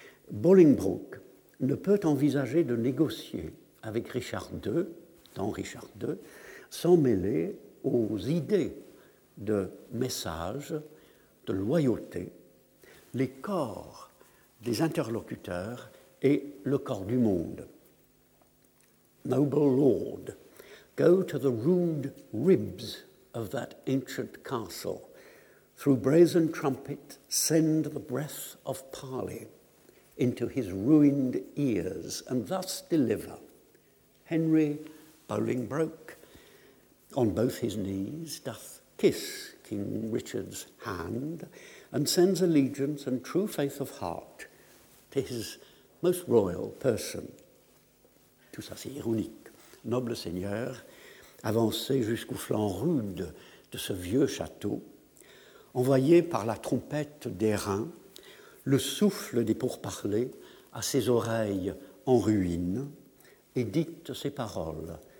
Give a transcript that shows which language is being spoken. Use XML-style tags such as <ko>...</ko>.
<fr>Bolingbroke ne peut envisager de négocier avec Richard II, dans Richard II, sans mêler aux idées de message, de loyauté, les corps des interlocuteurs et le corps du monde.</fr> <en>Noble Lord, go to the rude ribs of that ancient castle. Through brazen trumpet, send the breath of parley into his ruined ears, and thus deliver Henry Bolingbroke, on both his knees, doth kiss King Richard's hand, and sends allegiance and true faith of heart to his most royal person.</en> <fr>Tout ça, c'est ironique. Noble seigneur, avancez jusqu'au flanc rude de ce vieux château, envoyez par la trompette d'airain le souffle des pourparlers à ses oreilles en ruine et dites ces paroles.</fr>